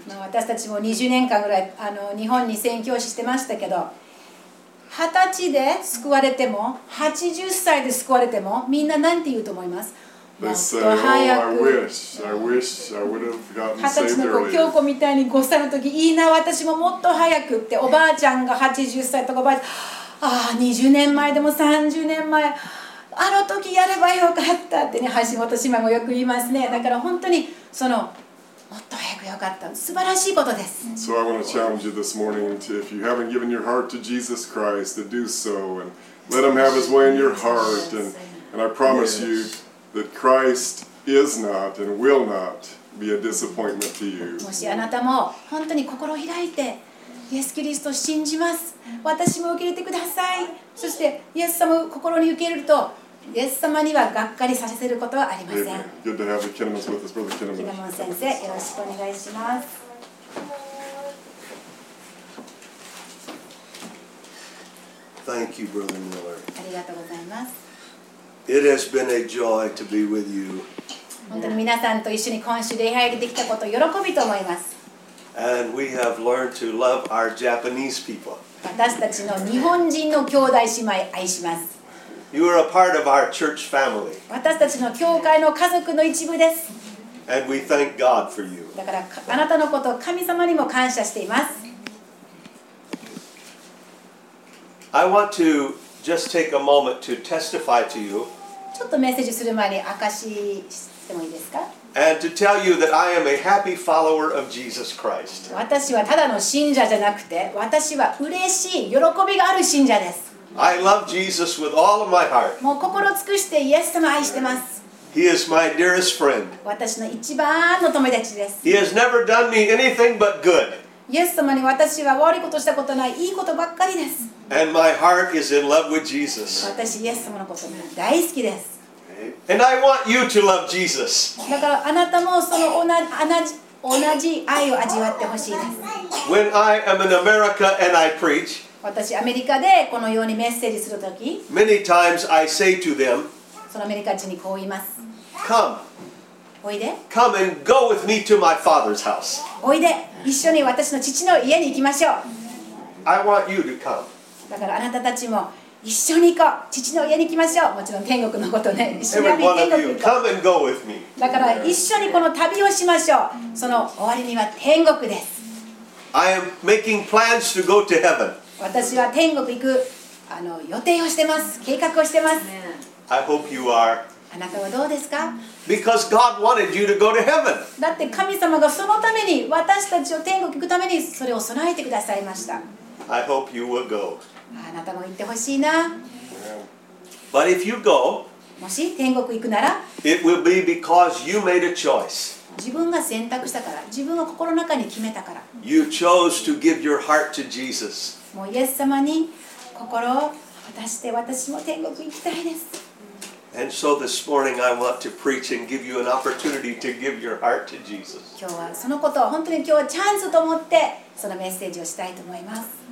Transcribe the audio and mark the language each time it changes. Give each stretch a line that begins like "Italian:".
Japanese: 私たちも20年間ぐらい日本に宣教師してましたけど、20歳で救われても、80歳で救われても、みんななんて言うと思います？もっと早く。
English: Oh, I wish I would have gotten saved earlier.
Japanese: 20歳の子、京子みたいに5歳の時、いいな、私ももっと早くって、おばあちゃんが80歳とかおばあちゃん、20年前でも30年前。あの時やればよかったってね、橋本姉妹もよく言いますね。だから本当にそのもっと早くよかった、素晴らしいことです。
English: So I want to challenge you this morning to, if you haven't given your heart to Jesus Christ, to do so and let Him have His way in your heart. And I promise you that Christ is not and will not be a disappointment to you.
Japanese: もしあなたも本当に心を開いて、イエス・キリストを信じます。私も受け入れてください。そしてイエス様を心に受け入れると、イエス様にはがっかりさせることはありません。
English: Good to have the Kinnamans with us, Brother Kinnaman.
Japanese: キナモン先生、よろしくお願いします。
English: Thank you, Brother Miller.
Japanese: ありがとうございます。
English: It has been a joy to be with you.
Japanese: 本当に皆さんと一緒に今週礼拝できたことを喜びと思います。
English: And we have learned to love our Japanese people.
Japanese: 私たちの日本人の兄弟姉妹愛します。
English: You are a part of our church family.
Japanese: 私たちの教会の家族の一部です。
English: And we thank God for you.
Japanese: だからあなたのこと神様にも感謝しています。
English: I want to just take a moment to testify to you.
Japanese: ちょっとメッセージする前に証してもいいですか？
English: And to tell you that I am a happy follower of Jesus Christ.
Japanese: 私はただの信者じゃなくて、私は嬉しい、喜びがある信者です。
English: I love Jesus with all of my heart.
Japanese: もう心尽くしてイエス様愛してます。
English: He is my dearest friend.
Japanese: 私の一番の友達です。
English: He has never done me anything but good.
Japanese: イエス様に私は悪いことしたことない、いいことばっかりです。
English: And my heart is in love with Jesus.
Japanese: 私イエス様のことが大好きです。
English: And I want you to love Jesus.
Japanese: だからあなたもその同じ愛を味わってほしいです。
English: When I am in America and I preach,
Japanese: 私アメリカでこのようにメッセージするとき、
English: many times I say to them,
Japanese: そのアメリカ人にこう言います。
English: Come.
Japanese: おいで。
English: Come and go with me to my father's house.
Japanese: おいで。一緒に私の父の家に行きましょう。
English: I want you to come.
Japanese: だからあなたたちも一緒に行こう。父の家に来ましょう。もちろん天国のことね。一緒に天国に行こう。だから一緒にこの旅をしましょう。その終わりには天国です。
English: I am making plans to go to heaven.
Japanese: 私は天国行くあの予定をしてます。計画をしてます。
English: I hope you are.
Japanese: あなたはどうですか？
English: Because God wanted you to go to heaven.
Japanese: だって神様がそのために私たちを天国行くためにそれを備えてくださいました。
English: I hope you will go.
Japanese: あなたも行ってほしいな。
English: But if you go,
Japanese: もし天国行くなら、
English: it will be because you made a choice.
Japanese: 自分が選択したから、自分が心の中に決めたから。
English: You chose to give your heart to Jesus.
Japanese: もうイエス様に心を渡して、私も天国行きたいです。
English: And so this morning I want to preach and give you an opportunity to give your heart to Jesus.
Japanese: 今日はそのことを本当に今日はチャンスと思ってそのメッセージをしたいと思います。